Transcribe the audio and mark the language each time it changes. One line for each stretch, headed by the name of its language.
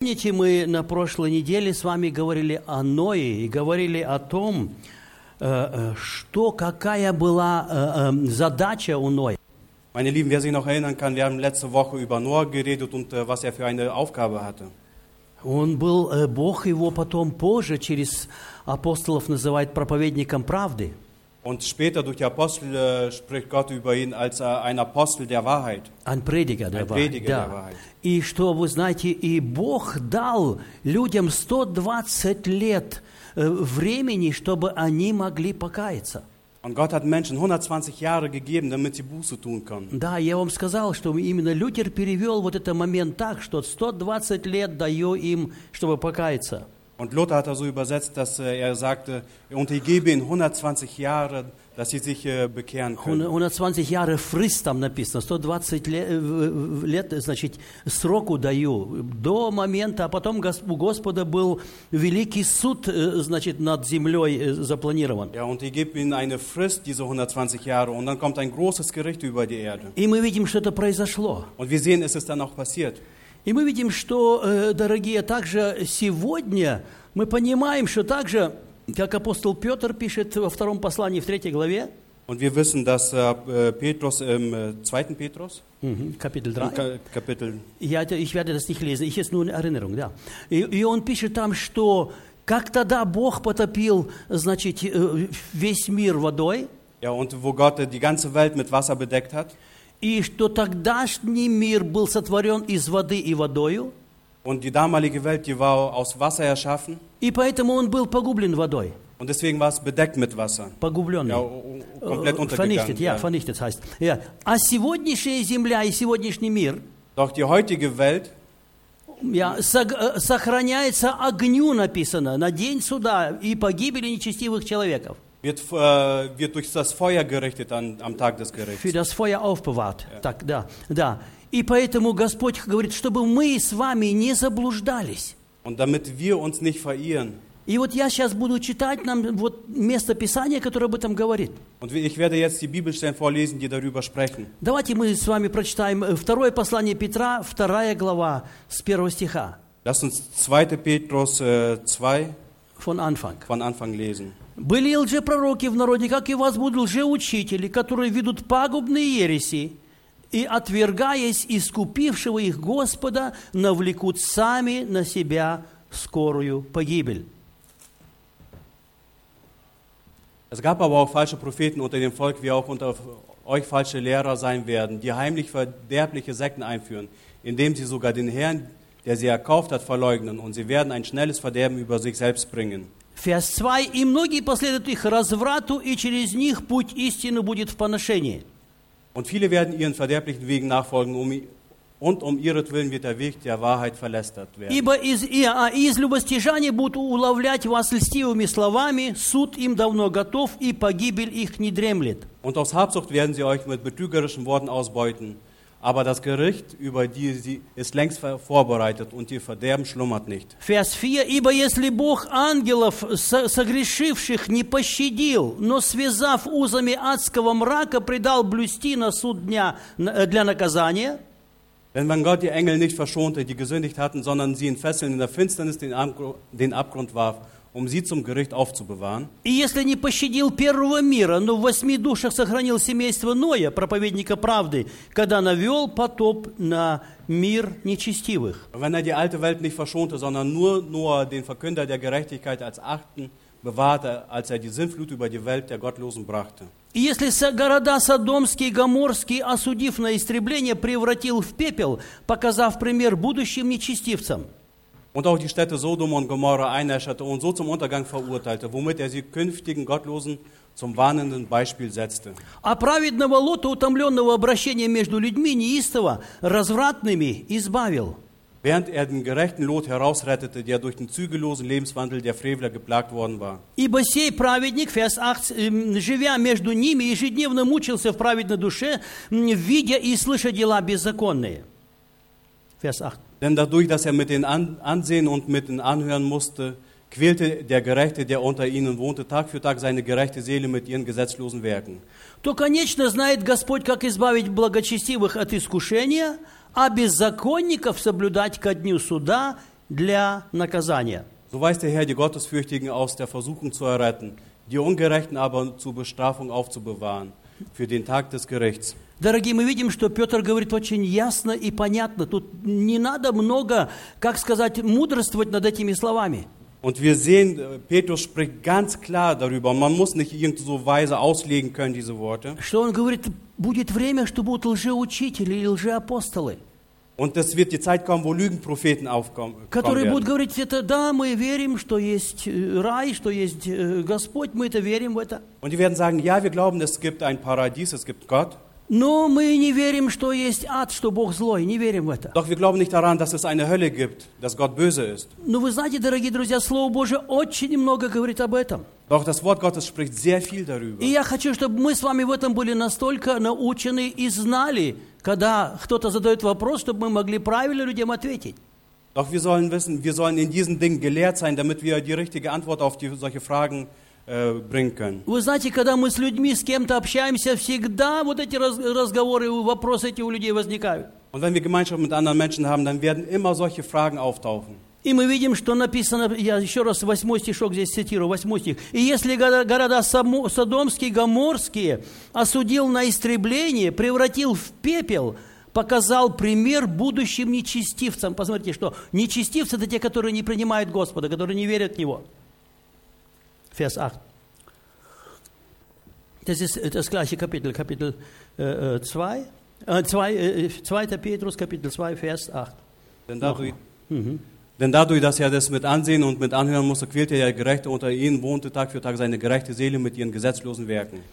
Russian: помните, мы на прошлой неделе с вами говорили о Ное и говорили о том, что, какая была задача у Ноя.
German: Meine Lieben, wer sich noch erinnern kann, wir haben letzte Woche über Noah geredet und was für eine Aufgabe hatte.
Russian: Он был, Бог его потом позже через апостолов называет проповедником правды.
German: Und später durch die Apostel spricht Gott über ihn als ein Apostel der Wahrheit. Ein Prediger der Wahrheit. Ein Prediger der Wahrheit.
Russian: И что вы знаете, и Бог дал людям 120 лет времени, чтобы они могли покаяться.
German: Und Gott hat Menschen 120 Jahre gegeben, damit sie Buße tun können.
Russian: Да, я вам сказал, что именно Лютер перевел вот этот момент так, что 120 лет даю им, чтобы покаяться.
German: Und Luther hat also übersetzt, dass sagte, und ich gebe ihnen 120 Jahre, dass sie sich bekehren können. 120 Jahre Frist
Russian: там написано, 120 лет, значит, сроку даю, до момента, а потом у Господа был великий суд, значит, над землей запланирован.
German: Ja, und ich gebe ihnen eine Frist, diese 120 Jahre, und dann kommt ein großes Gericht über die Erde.
Russian: И мы видим, что это произошло.
German: Und wir sehen, es ist dann auch passiert.
Russian: И мы видим, что, дорогие, также сегодня мы понимаем, что также, как апостол Петр пишет во втором послании, в третьей главе,
German: Und wir wissen, dass Petrus im zweiten Petrus, Kapitel 3, Kapitel, ich werde das nicht lesen, ich jetzt nur in Erinnerung, ja.
Russian: И он пишет там, что как тогда Бог потопил, значит, весь мир водой,
German: Ja, und wo Gott die ganze Welt mit Wasser bedeckt hat,
Russian: И что тогдашний мир был сотворен из воды и водою.
German: Und die damalige Welt, die war aus Wasser erschaffen.
Russian: И поэтому он был погублен водой.
German: Und deswegen war es bedeckt mit Wasser.
Russian: Погубленный.
German: Ja, komplett untergegangen. Vernichtet, ja, vernichtet heißt. Ja.
Russian: А сегодняшняя земля и сегодняшний мир.
German: Doch die heutige Welt.
Russian: Ja, сохраняется огню, написано, на день суда и погибели нечестивых человеков.
German: Wird durch das Feuer gerichtet am Tag des Gerichts. Für das Feuer aufbewahrt.
Russian: Ja. Так, да, да. И поэтому Господь говорит, чтобы мы с вами не заблуждались.
German: Und damit wir uns nicht verirren.
Russian: И вот я сейчас буду читать нам вот место Писания, которое об этом говорит.
German: Und ich werde jetzt die Bibelstellen vorlesen, die darüber sprechen.
Russian: Давайте мы с вами прочитаем второе послание Петра, вторая глава с первого стиха.
German: Lass uns 2. Петрус 2 von Anfang lesen.
Russian: Были лжепророки в народе, как и вас будут лжеучители, которые ведут пагубные ереси, и, отвергаясь искупившего их Господа, навлекут сами на себя скорую погибель.
German: Es gab aber auch falsche Propheten unter dem Volk, wie auch unter euch falsche Lehrer sein werden, die heimlich verderbliche Sekten einführen, indem sie sogar den Herrn, der sie erkauft hat, verleugnen, und sie werden ein schnelles Verderben über sich selbst bringen. Vers 2.
Russian: И многие последуют их разврату, и через них путь истины будет в поношении.
German: Und viele werden ihren verderblichen Wegen nachfolgen, und um ihretwillen wird der Weg der Wahrheit verlästert werden.
Russian: Ибо из любостяжания будут уловлять вас льстивыми словами, суд им давно готов, и погибель их не дремлет.
German: Und aus Habsucht werden sie euch mit betrügerischen Worten ausbeuten, aber das Gericht über die sie ist längst vorbereitet und ihr Verderben schlummert nicht. Vers 4,
Russian: ибо если Бог ангелов согрешивших не пощадил, но связав узами адского мрака, предал блюсти на суд дня для наказания,
German: Wenn man Gott die Engel nicht verschonte, die gesündigt hatten, sondern sie in Fesseln in der Finsternis den Abgrund warf, um sie zum Gericht aufzubewahren.
Russian: И если не пощадил первого мира, но в восьми душах сохранил семейство Ноя, проповедника правды, когда навел потоп на мир нечестивых.
German: Wenn er die alte Welt nicht verschonte, sondern nur Noah, den Verkünder der Gerechtigkeit, als achten bewahrte, als er die Sintflut über die Welt der Gottlosen brachte.
Russian: И если города Содомский и Гоморский, осудив на истребление, превратил в пепел, показав пример будущим нечестивцам.
German: Und auch die Städte Sodom und Gomorra einäscherte und so zum Untergang verurteilte, womit er sie künftigen Gottlosen zum warnenden Beispiel setzte.
Russian: А праведного Лота, утомленного обращения между людьми неистово, развратными, избавил.
German: Während er den gerechten Lot herausrettete, der durch den zügellosen Lebenswandel der Frevler geplagt worden war.
Russian: Ибо сей праведник,
German: Vers 8,
Russian: живя между ними, ежедневно мучился в праведной душе, видя и слыша дела беззаконные.
German: Vers 8. Denn dadurch, dass er mit den Ansehen und mit den Anhören musste, quälte der Gerechte, der unter ihnen wohnte, Tag für Tag seine gerechte Seele mit ihren gesetzlosen Werken.
Russian: То конечно знает Господь, как избавить благочестивых от искушения, а беззаконников соблюдать ко дню суда для наказания.
German: So weist der Herr die Gottesfürchtigen aus der Versuchung zu erretten, die Ungerechten aber zur Bestrafung aufzubewahren für den Tag des Gerichts.
Russian: Дорогие, мы видим, что Петр говорит очень ясно и понятно. Тут не надо много, как сказать, мудрствовать над этими словами.
German: Und wir sehen, Petrus spricht ganz klar darüber. Man muss nicht irgendwie so weise auslegen können, diese Worte.
Russian: Что он говорит, будет время, что будут лжеучители и лжеапостолы.
German: Und es wird die Zeit kommen, wo Lügenpropheten aufkommen werden.
Russian: Которые будут говорить, это, да, мы верим, что есть рай, что есть Господь, мы это верим в это.
German: Und die werden sagen, ja, wir glauben, es gibt ein Paradies, es gibt Gott.
Russian: Но мы не верим, что есть ад, что Бог злой, не верим в это.
German: Doch wir glauben nicht daran, dass es eine Hölle gibt, dass Gott böse ist.
Russian: Но вы знаете, дорогие друзья, Слово Божие очень много говорит об этом.
German: Doch das Wort Gottes spricht sehr viel darüber.
Russian: И я хочу, чтобы мы с вами в этом были настолько научены и знали, когда кто-то задает вопрос, чтобы мы могли правильно людям ответить.
German: Doch wir sollen wissen, wir sollen in diesen Dingen gelehrt sein, damit wir die richtige Antwort auf solche Fragen bringen können.
Russian: Вы знаете, когда мы с людьми, с кем-то общаемся, всегда вот эти разговоры, вопросы эти у людей возникают.
German: Und wenn wir Gemeinschaft mit anderen Menschen haben, dann werden immer solche Fragen auftauchen.
Russian: И мы видим, что написано, я еще раз восьмой стишок здесь цитирую, восьмой стих. И если города Содомские, Гоморские осудил на истребление, превратил в пепел, показал пример будущим нечестивцам. Посмотрите, что нечестивцы — это те, которые не принимают Господа, которые не верят в Него.
German: Vers 8. Das ist das gleiche Kapitel, Kapitel 2. 2. Petrus, Kapitel 2, Vers 8. Denn dadurch, dass er das mit Ansehen und mit Anhören musste, quälte der Gerechte unter ihnen, wohnte Tag für Tag seine gerechte Seele mit ihren gesetzlosen Werken.